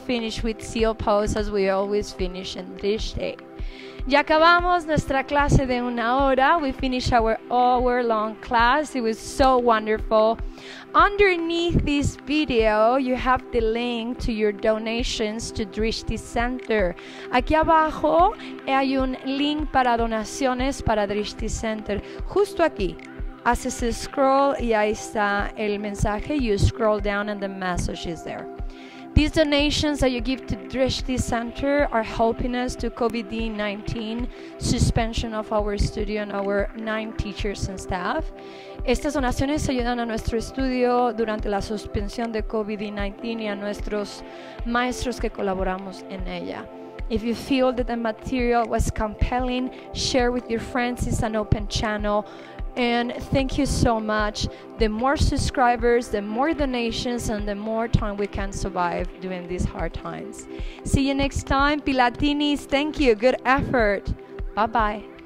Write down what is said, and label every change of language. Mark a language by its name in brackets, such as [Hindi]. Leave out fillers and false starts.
[English] Finish with seal pose as we always finish in this day. [Spanish] Ya acabamos nuestra clase de una hora. [English] We finished our hour-long class. It was so wonderful. Underneath this video, you have the link to your donations to Drishti Center. [Spanish] Aquí abajo hay un link para donaciones para Drishti Center. Justo aquí. Haces el scroll y ahí está el mensaje. [English] You scroll down and the message is there. These donations that you give to Drishti Center are helping us to COVID-19 suspension of our studio and our 9 teachers and staff. [Spanish] Estas donaciones ayudan a nuestro estudio durante la suspensión de COVID-19 y a nuestros maestros que colaboramos en ella. [English] If you feel that the material was compelling, share with your friends. It's an open channel. And thank you so much. The more subscribers, the more donations, and the more time we can survive during these hard times. See you next time, Pilatinis. Thank you. Good effort. Bye-bye.